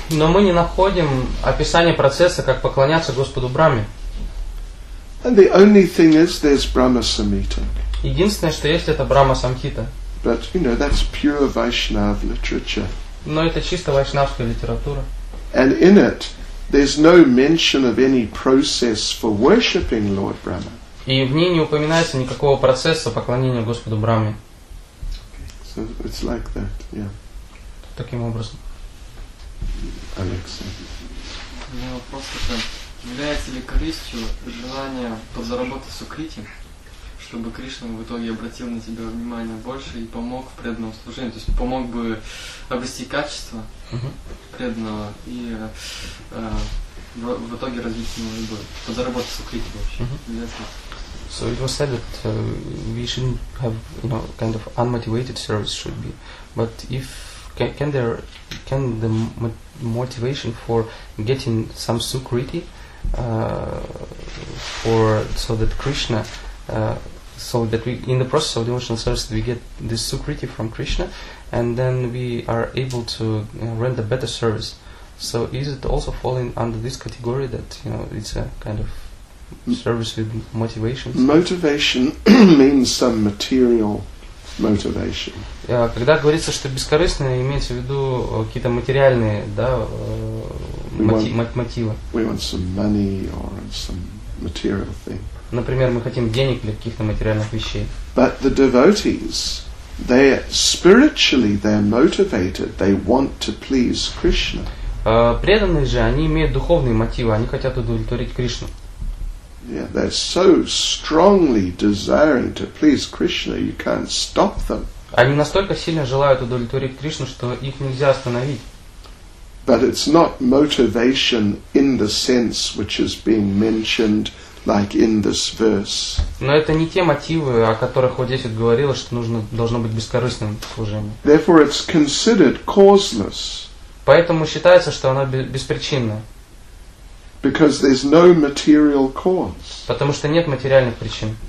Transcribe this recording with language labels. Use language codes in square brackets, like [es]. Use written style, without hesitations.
[ru] Но мы не находим описание процесса, как поклоняться Господу Брахме. [en] And the only thing is, there's Brahma Samhita. [ru] Единственное, что есть, это Брахма Самхита. [en] But you know, that's pure Vaishnav literature. [ru] Но это чисто вайшнавская литература. [en] And in it, there's no mention of any process for worshiping Lord Brahma. [ru] И в ней не упоминается никакого процесса поклонения Господу Брахме. [en] So it's like that, yeah. [ru] Таким образом. Алекс. У меня вопрос такой: является ли корыстью желание подзаработать сукрити, чтобы Кришна в итоге обратил на тебя внимание больше и помог в преданном служении, то есть помог бы обрести качество преданного и в итоге развить его любовь, подзаработать сукрити вообще. [en] So it was said that we shouldn't have, you know, kind of unmotivated service should be, but if can the motivation for getting some sukriti for so that Krishna so that we, in the process of devotional service, we get this sukriti from Krishna, and then we are able to render better service. So is it also falling under this category that, you know, it's a kind of service with motivation? Motivation means some material motivation. [ru] Когда говорится, что бескорыстное, имеется в виду какие-то материальные, да, мотива. [en] We want some money or some material thing. [ru] Например, мы хотим денег для каких-то материальных вещей. [en] But the devotees, they spiritually they're motivated. They want to please Krishna. [ru] Преданные же, они имеют духовные мотивы, они хотят удовлетворить Кришну. [en] Yeah, they're so strongly desiring to please Krishna, you can't stop them. [ru] Они настолько сильно желают удовлетворить Кришну, что их нельзя остановить. [en] But it's not motivation in the sense which is being mentioned, like in this verse. [ru] Но это не те мотивы, о которых вот здесь вот говорилось, что нужно должно быть бескорыстным служением. [en] Therefore, it's considered causeless. [ru] Поэтому считается, что оно беспричинное. [en] Because there's no material cause. [ru] Потому что нет материальных причин.